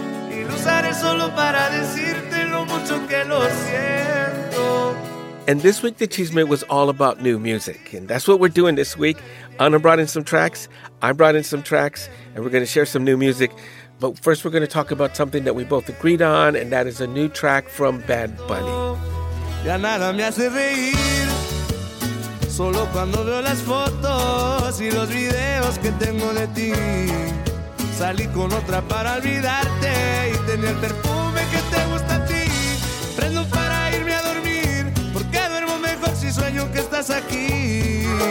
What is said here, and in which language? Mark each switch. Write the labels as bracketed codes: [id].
[es] Y lo usaré solo para decirte lo mucho que lo siento. [en] And this week, the chisme was all about new music. And that's what we're doing this week. Ana brought in some tracks. I brought in some tracks. And we're going to share some new music. But first, we're going to talk about something that we both agreed on. And that is a new track from Bad Bunny. [es] Ya nada me hace reír, solo cuando veo las fotos y los videos que tengo de ti. Salí con otra para olvidarte y tenía el perfume que te gusta a ti. Prendo para irme a dormir, porque duermo mejor si sueño que estás aquí.